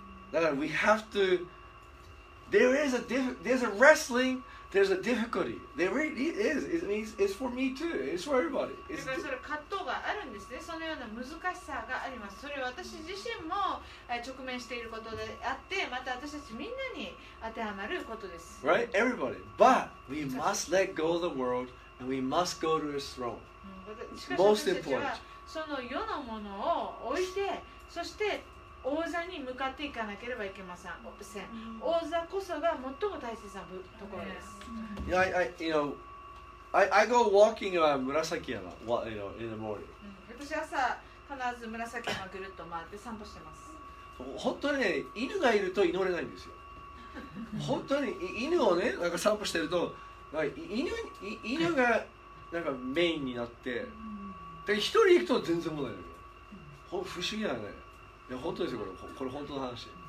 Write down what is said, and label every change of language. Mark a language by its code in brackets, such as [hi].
[en] だから we have to there's a wrestling, there's a difficulty. There really is. It's for me too. It's for everybody. [ja] だからそれ葛藤があるんですね。そのような難しさがあります。それは私自身も直面していることであって、また私たちみんなに当てはまることです。 [en] Right? Everybody. But we must let go of the world. And we must go to his throne. Most important. [ja] その世のものを置いて、そして王座に向かっていかなければいけません。王座こそが最も大切なところです。 [en] Yeah, I go walking around 紫山 what, you know, in the morning. [ja] 私朝必ず紫山ぐるっと回って散歩してます。本当に、ね、犬がいると祈れないんですよ。本当に犬をねなんか散歩してると犬がなんかメインになって、で一人行くと全然問題ないけど、不思議だね。いや本当ですよ、これ本当の話。